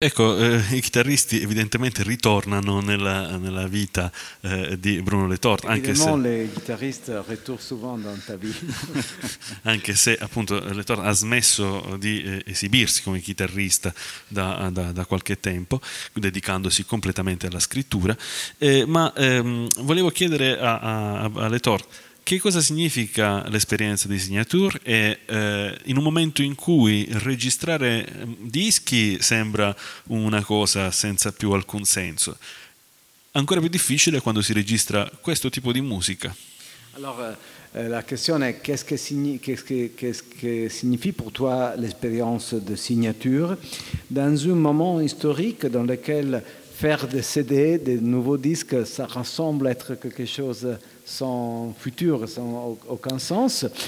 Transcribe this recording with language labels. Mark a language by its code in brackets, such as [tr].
[it] Ecco, i chitarristi evidentemente ritornano nella vita di Bruno Le Tort, [fr] Évidemment, les guitaristes retournent souvent dans ta vie. [it] anche se appunto Le Tort ha smesso di esibirsi come chitarrista da qualche tempo, dedicandosi completamente alla scrittura. Volevo chiedere a Le Tort, che cosa significa l'esperienza di Signature? E in un momento in cui registrare dischi sembra una cosa senza più alcun senso, ancora più difficile quando si registra questo tipo di musica. [fr] Alors, la question est qu'est-ce que signifie pour toi l'expérience de signature dans un moment historique dans lequel faire des CD, des nouveaux disques, ça semble être quelque chose sans futur, sans aucun sens.